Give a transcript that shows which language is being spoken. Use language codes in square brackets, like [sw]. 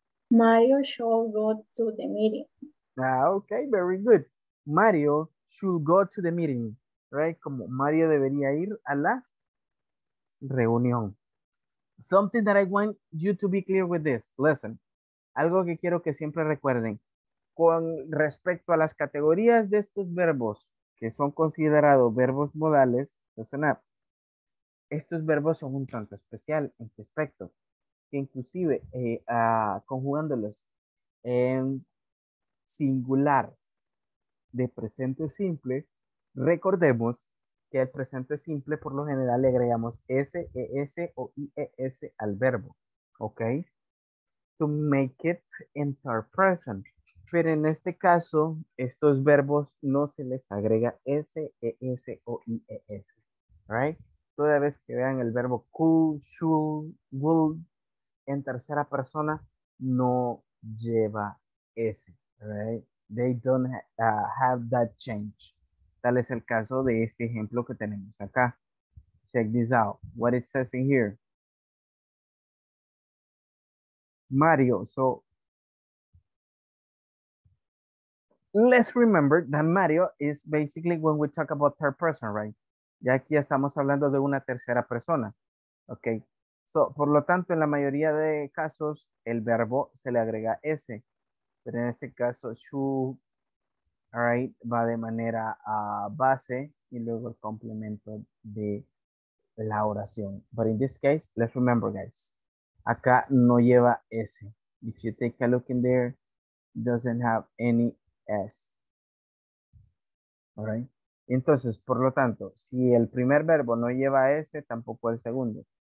[en] Mario should go to the meeting. Okay, very good. Mario should go to the meeting, right? [es] Como Mario debería ir a la reunión. [en] Something that I want you to be clear with this. [es] Listen, algo que quiero que siempre recuerden. Con respecto a las categorías de estos verbos que son considerados verbos modales, [en] listen up, [es] estos verbos son un tanto especial en qué aspecto, que inclusive conjugándolos en singular de presente simple, recordemos que al presente simple por lo general le agregamos S, E, S o I, E, S al verbo, ¿ok? [en] To make it into our present. [es] Pero en este caso, estos verbos no se les agrega S, E, S o I, E, S. Right? Toda vez que vean el verbo could, should, would en tercera persona, no lleva S. Right? [en] They don't have that change. [es] Tal es el caso de este ejemplo que tenemos acá. [en] Check this out. What it says in here. Mario, so let's remember that Mario is basically when we talk about third person, right? [es] Ya aquí estamos hablando de una tercera persona, okay? So, por lo tanto, en la mayoría de casos, el verbo se le agrega S. Pero en ese caso, should, right, va de manera base y luego el complemento de la oración. [en] But in this case, let's remember, guys. [es] Acá no lleva S. [en] If you take a look in there, doesn't have any S. All right? [es] Entonces, por lo tanto, si el primer verbo no lleva S, tampoco el segundo.